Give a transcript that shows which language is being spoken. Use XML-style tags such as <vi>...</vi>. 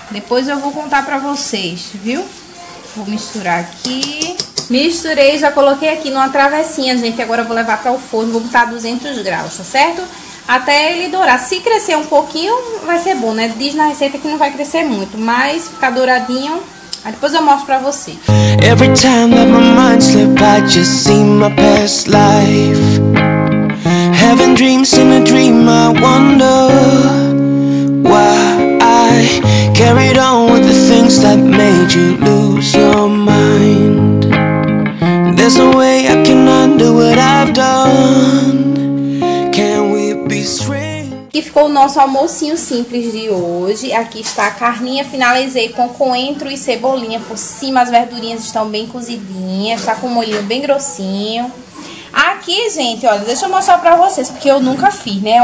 <pt>Depois eu vou contar pra vocês, viu? Vou misturar aqui. Misturei, já coloquei aqui numa travessinha, gente. Agora eu vou levar para o forno, vou botar 200 graus, tá certo? Até ele dourar. Se crescer um pouquinho, vai ser bom, né? Diz na receita que não vai crescer muito, mas ficar douradinho. Aí depois eu mostro pra vocês.</pt> <en>Every time that my mind slip, I just see my past life. Having dreams in a dream, I wonder why. Carried on with the things that made you lose your mind. There's no way I can undo what I've done. Can we be strange?</en> <pt>Aqui ficou o nosso almocinho simples de hoje. Aqui está a carninha, finalizei com coentro e cebolinha por cima. As verdurinhas estão bem cozidinhas, está com um molhinho bem grossinho. Aqui, gente, olha, deixa eu mostrar pra vocês, porque eu nunca fiz, né?</pt>